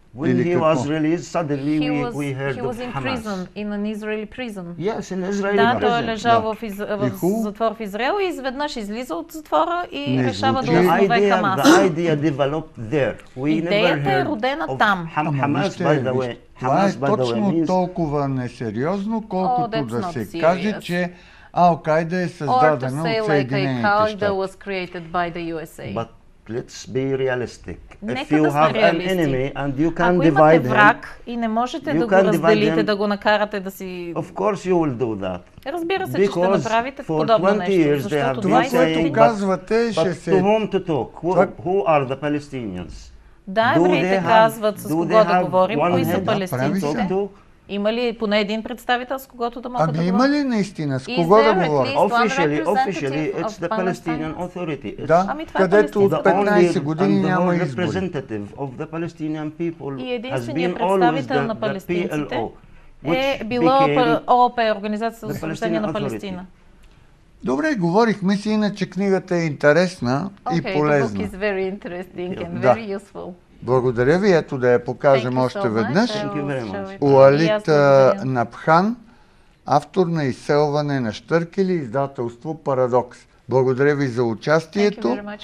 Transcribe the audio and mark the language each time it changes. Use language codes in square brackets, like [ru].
[en] When he was released, suddenly we heard of Hamas. He was in prison, in an Israeli prison. Yes, in Israeli prison. [bg] Да, той лежал в затвор в Израел и изведнъж излиза от затвора и решава да основе Хамас. [en] The idea developed there. [bg] Идеята е родена там. [en] Hamas, by the way. [bg] Това е точно толкова несериозно, колкото да се каже, че Ал-Кайда е създадена от Съединените щати. [en] Or to say like Ал-Кайда was created by the USA. Let's be realistic. If you have an enemy and you can divide him, [bg] враг и не можете да го разделите, да го накарате да си. [en] Of course you will do that. [bg] Разбира се, че ще направите подобно нещо. Това, което казвате, ще се. [en] To whom to talk? Who are the Palestinians? [bg] Да, евреите казват с кого да говорим, кои са палестинците. Има ли поне един представител, с когото да могат да говорят? Има ли наистина, с кого да говорят? [en] Officially, it's the Palestinian Authority. [bg] Да, където от 15 години няма избори. [en] The representative of the Palestinian people has been always the PLO. [bg] Е било ООП, Организация за освобождение на Палестина. Добре, говорихме си, иначе книгата е интересна и полезна. [en] Okay, the book is very interesting and very useful. [bg] Благодаря ви, ето да я покажем още веднъж. Уалит Напхан, автор на Изселване на Щъркели, издателство Парадокс. Благодаря ви за участието.